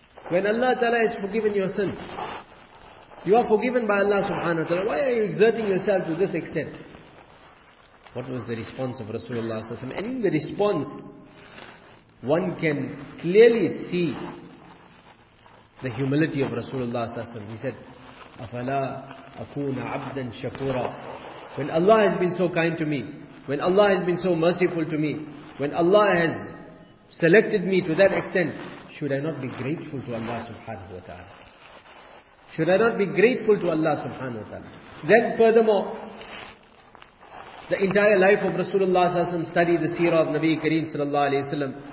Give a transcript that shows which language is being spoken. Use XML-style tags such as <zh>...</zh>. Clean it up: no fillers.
<en>When Allah Ta'ala has forgiven your sins, you are forgiven by Allah subhanahu wa ta'ala, why are you exerting yourself to this extent? What was the response of Rasulullah sallallahu alaihi wasallam? And in the response, one can clearly see the humility of Rasulullah sallallahu alaihi wasallam. He said,</en> <ar>أَفَلَا أَكُونَ عَبْدًا شَكُورًا.</ar> <en>When Allah has been so kind to me, when Allah has been so merciful to me, when Allah has selected me to that extent, should I not be grateful to Allah subhanahu wa ta'ala? Should I not be grateful to Allah subhanahu wa ta'ala? Then furthermore, the entire life of Rasulullah sallallahu alayhi wa sallam, study the seerah of Nabi Kareem sallallahu alayhi wa sallam.</en>